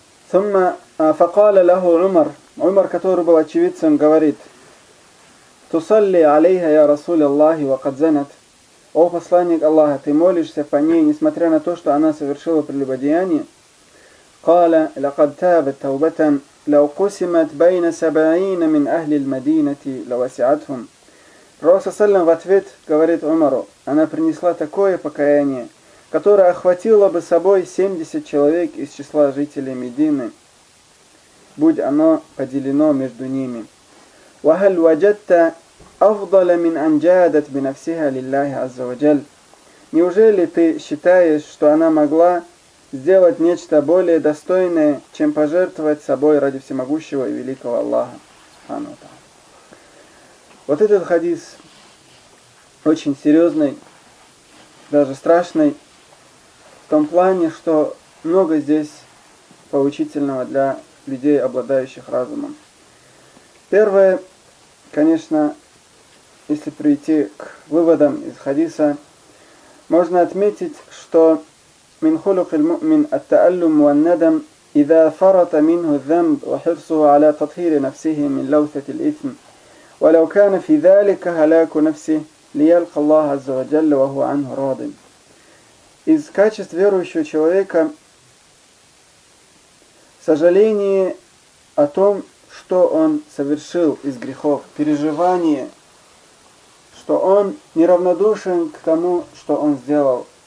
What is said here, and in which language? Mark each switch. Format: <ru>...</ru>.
<ar>Сумма факала лаху Умар.</ar> <ru>Умар, который был очевидцем, говорит:</ru> <ar>«Тусалли алейха я Расуля Аллахи ва кадзанат».</ar> <ru>«О посланник Аллаха, ты молишься по ней, несмотря на то, что она совершила прелюбодеяние».</ru> <ar>قال لقد تابت توبة لو قسمت بين 70 من أهل المدينة لوسعتهم.</ar> <ru>Пророк саллям в ответ говорит Умару: она принесла такое покаяние, которое охватило бы собой 70 человек из числа жителей Медины, будь оно поделено между ними.</ru> <ar>وهل وجدت أفضل من أن جادت بنفسها لله عز وجل.</ar> <ru>Неужели ты считаешь, что она могла сделать нечто более достойное, чем пожертвовать собой ради всемогущего и великого Аллаха,</ru> <ar>субхану ва тааля.</ar> <ru>Вот этот хадис очень серьезный, даже страшный, в том плане, что много здесь поучительного для людей, обладающих разумом. Первое, конечно, если прийти к выводам из хадиса, можно отметить, что</ru> <ar>من خلق المؤمن التألم والندم إذا فرط منه الذنب وحرصه على تطهير نفسه من لوثة الإثم ولو كان في ذلك هلاك نفسه ليلقى الله عز وجل وهو عنه راض.</ar> <ru>Из качеств верующего человека сожаление о том, что он совершил из грехов, переживание, что он неравнодушен к тому, что он сделал.</ru>